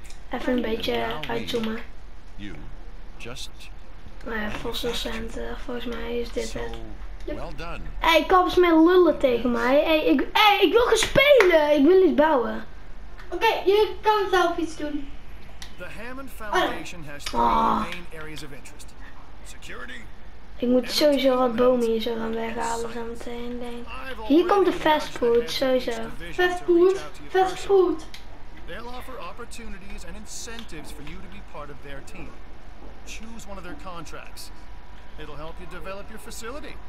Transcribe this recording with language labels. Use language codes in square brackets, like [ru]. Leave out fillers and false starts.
[nl] Even een beetje uitzoomen. Nou ja, Fossil Center, volgens mij is dit het. Hey, kaps met lullen tegen mij. Hey, ik wil gaan spelen. Ik wil iets bouwen. Oké, je kan zelf iets doen. [en] The Hammond Foundation has three main areas of interest. Security. [nl] Ik moet sowieso wat bomen hier zo gaan weghalen zo meteen, denk ik. Hier komt de fastfood, sowieso. Fastfood. [en] They'll offer opportunities and incentives for you to be part of their team. choose one of their contracts. It'll help you develop your facility.